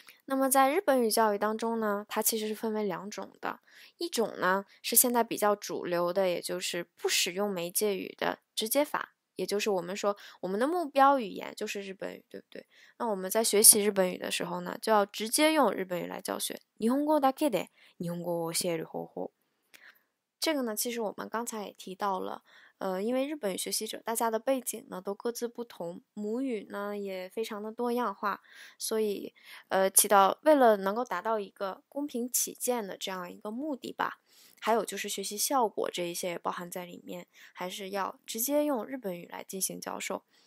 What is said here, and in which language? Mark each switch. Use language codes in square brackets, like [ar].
[zh] 那么在日本语教育当中呢，它其实是分为两种的，一种呢是现在比较主流的，也就是不使用媒介语的直接法，也就是我们说我们的目标语言就是日本语，对不对？那我们在学习日本语的时候呢，就要直接用日本语来教学。 [ja] 日本語だけで日本語を教える方法。 [zh] 这个呢，其实我们刚才也提到了，因为日本语学习者大家的背景呢都各自不同，母语呢也非常的多样化，所以起到为了能够达到一个公平起见的这样一个目的吧，还有就是学习效果这一些也包含在里面，还是要直接用日本语来进行教授。